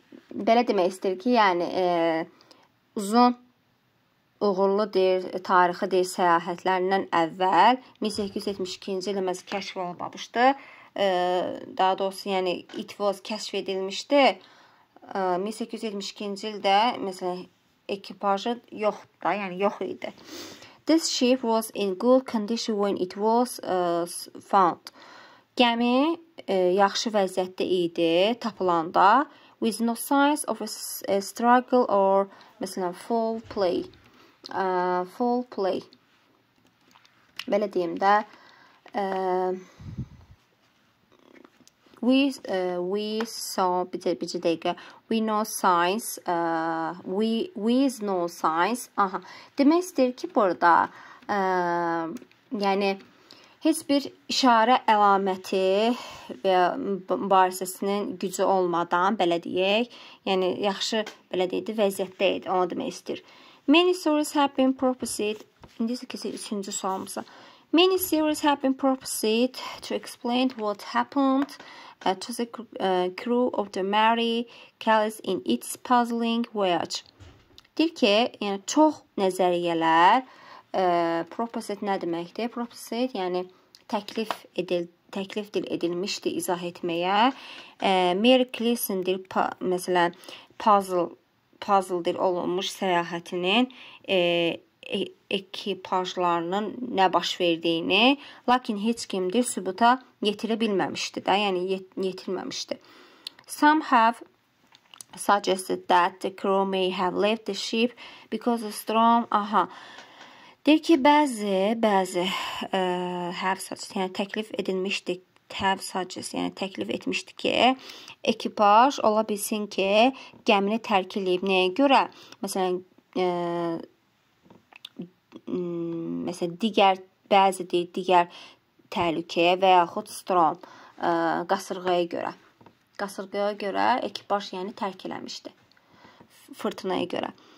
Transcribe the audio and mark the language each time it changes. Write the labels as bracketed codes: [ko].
[az] Belə demək istəyir ki, yəni uzun uğurlu deyir, tarixi deyir, səyahətlərindən əvvəl 1872-ci ilə məsələn kəşf olunmamışdı. Daha doğrusu, yəni it was kəşf edilmişdi. 1872-ci ildə, məsələn, ekipajı yoxdur da, yəni yox idi. [en] This ship was in good condition when it was found. [az] Gəmi yaxşı vəziyyətdə idi, tapılanda. [en] With no signs of a struggle or, [az] məsələn, [en] foul play. Foul play. [az] Belə deyim də, [en] we with no signs. Aha. [az] Demək istəyir ki, burada yəni heç bir işarə əlaməti və mübarizəsinin gücü olmadan, belə deyək, yəni yaxşı belə deyildi, vəziyyətdə idi. Onu demək istəyir. [en] Many stories have been proposed. [az] İndi isə 3-cü sualımıza. [en] Many theories have been proposed to explain what happened to the crew of the Mary Callis in its puzzling voyage. [az] Deyir ki, yəni çox nəzəriyyələr proposed nə deməkdir? Proposed yəni təklif edilmişdi izah etməyə. Mary Callis'in deyil, məsələn, puzzle olunmuş səyahətinin ekipajlarının nə baş verdiyini, lakin heç kim deyil, sübuta yetirə bilməmişdi də, yəni yetirməmişdi. [en] Some have suggested that the crew may have left the ship because of storm. [az] Aha, deyir ki, bəzi have suggested, yəni təklif edilmişdi, have suggested, yəni təklif etmişdi ki, ekipaj ola bilsin ki, gəmini tərk edib. Nəyə görə? Məsələn, digər təhlükəyə və yaxud strom qasırğaya görə ekipaj yəni tərk eləmişdi fırtınaya görə.